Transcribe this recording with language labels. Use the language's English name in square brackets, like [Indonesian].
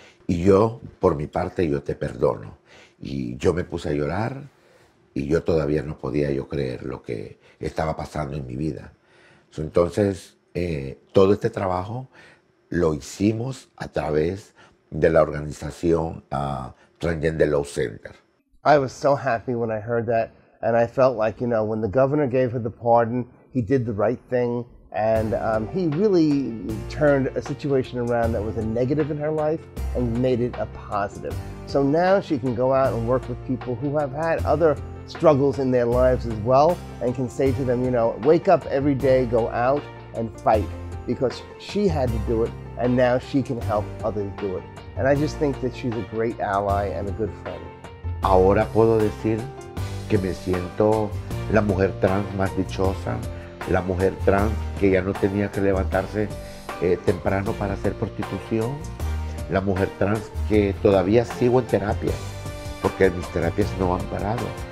[Spanish] Y yo, por mi parte, yo te perdono. Y yo me puse a llorar y yo todavía no podía yo creer lo que estaba pasando en mi vida. Entonces, todo este trabajo lo hicimos a través de la organización Transgender Law Center. [English] I was so happy when I heard that. And I felt like, you know, when the governor gave her the pardon, he did the right thing. And he really turned a situation around that was a negative in her life and made it a positive. So now she can go out and work with people who have had other struggles in their lives as well, and can say to them, you know, wake up every day, go out and fight, because she had to do it and now she can help others do it. And I just think that she's a great ally and a good friend. [Spanish] Ahora puedo decir que me siento la mujer trans más dichosa. La mujer trans que ya no tenía que levantarse temprano para hacer prostitución. La mujer trans que todavía sigo en terapia, porque mis terapias no han parado.